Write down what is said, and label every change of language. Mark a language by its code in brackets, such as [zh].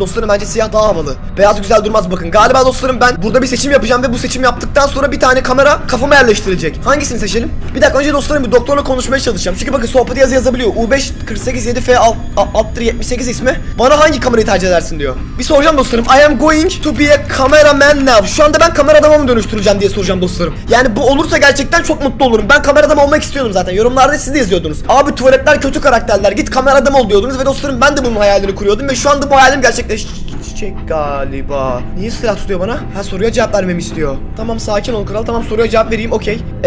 [tr] Dostlarım bence siyah daha havalı. Beyaz güzel durmaz bakın. Galiba dostlarım ben burada bir seçim yapacağım ve bu seçim yaptıktan sonra bir tane kamera kafama yerleştirilecek. Hangisini seçelim? Bir dakika önce dostlarım bir doktorla konuşmaya çalışacağım. Çünkü bakın sohbeti yazabiliyor. U5487F6-78 ismi. Bana hangi kamerayı tercih edersin diyor. Bir soracağım dostlarım. [en] I am going to be a cameraman now. [tr] Şu anda ben kamera adamı mı dönüştüreceğim diye soracağım dostlarım. Yani bu olursa gerçekten çok mutlu olurum. Ben kamera adam olmak istiyordum zaten. Yorumlarda siz de yazıyorsunuz. diyordunuz. Abi tuvaletler kötü karakterler, git kamera adam ol diyordunuz. Ve dostlarım ben de bunun hayalini kuruyordum. Ve şu anda bu hayalim gerçekleşecek galiba. Niye silah tutuyor bana? Ha, soruya cevap vermemi istiyor. Tamam sakin ol kral, tamam soruya cevap vereyim, okey.